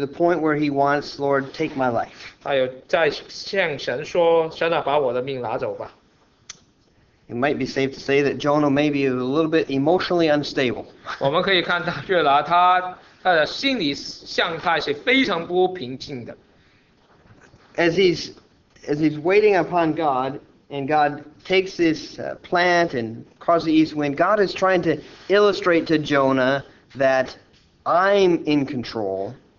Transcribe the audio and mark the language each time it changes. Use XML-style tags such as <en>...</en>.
<en>the point where he wants, Lord, take my life.</en> <zh>他又再向神说，神啊，把我的命拿走吧。It</zh> <en>might be safe to say that Jonah maybe is a little bit emotionally unstable.</en> <zh>我们可以看到，约拿他的心理状态是非常不平静的。</zh> <en>As he's waiting upon God, and God takes this plant and causes the east wind, God is trying to illustrate to Jonah that I'm in control.</en>